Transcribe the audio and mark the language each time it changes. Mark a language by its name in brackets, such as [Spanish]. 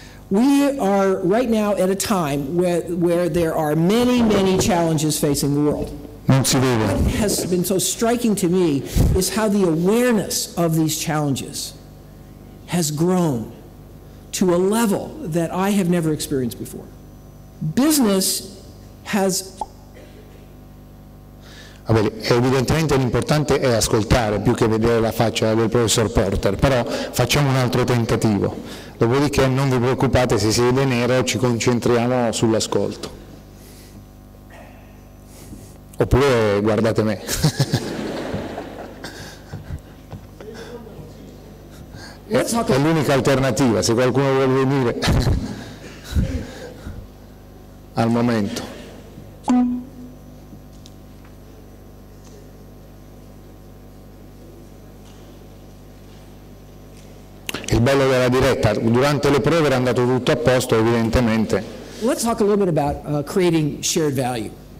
[English] We are right now at a time where there are many, many challenges facing the world. What has been so striking to me is how the awareness of these challenges has grown to a level that I have never experienced before. Business has... [Italian] Evidentemente l'importante è ascoltare più che vedere la faccia del professor Porter, però facciamo un altro tentativo. Dopodiché non vi preoccupate se siete nero, ci concentriamo sull'ascolto. Oppure guardate me. È l'unica alternativa, se qualcuno vuole venire al momento. Il bello della diretta, durante le prove era andato tutto a posto, evidentemente. [English] Let's talk a little bit about creating shared value.